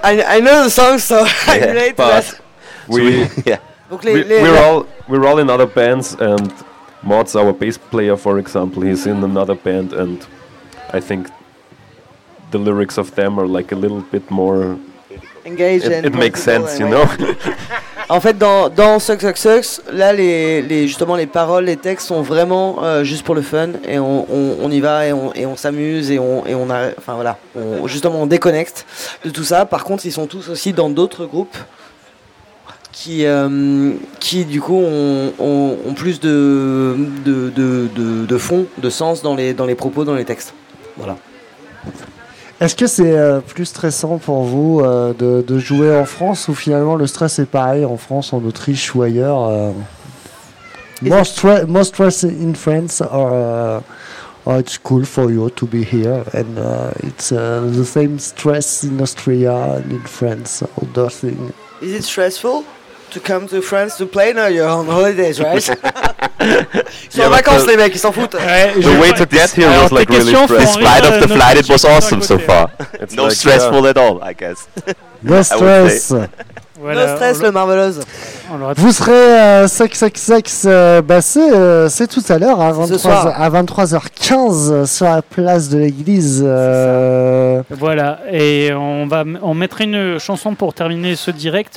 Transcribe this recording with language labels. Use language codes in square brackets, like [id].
[en] I know the song, so I relate to that. We're all in other bands, and Mods, our bass player, for example, he's in another band, and I think the lyrics of them are like a little bit more engaged. It makes sense, you know. [fr] En fait, dans Sucks Sucks Sucks, là, justement, les paroles, les textes sont vraiment juste pour le fun, et on y va et on s'amuse et on a, enfin voilà, justement, on déconnecte de tout ça. Par contre, ils sont tous aussi dans d'autres groupes qui du coup ont plus de fond, de sens dans les propos, dans les textes. Voilà. Est-ce que c'est plus stressant pour vous de jouer en France, ou finalement le stress est pareil en France, en Autriche ou ailleurs? [en] More stress in France, or it's cool for you to be here, and it's the same stress in Austria and in France, or the thing. Is it stressful to come to France to play? No, you're on holidays, right? [fr] Ils sont en vacances, les mecs, ils s'en foutent. [en] The way to get here was like really stressful. Despite of the flight, it was awesome so far. It's no like stressful at all, I guess. No stress. [fr] Voilà, [en] no stress, [fr] le Marvelous. Vous serez sex, c'est tout à l'heure, à 23h15, sur la place de l'église. Voilà, et on mettra une chanson pour terminer ce direct.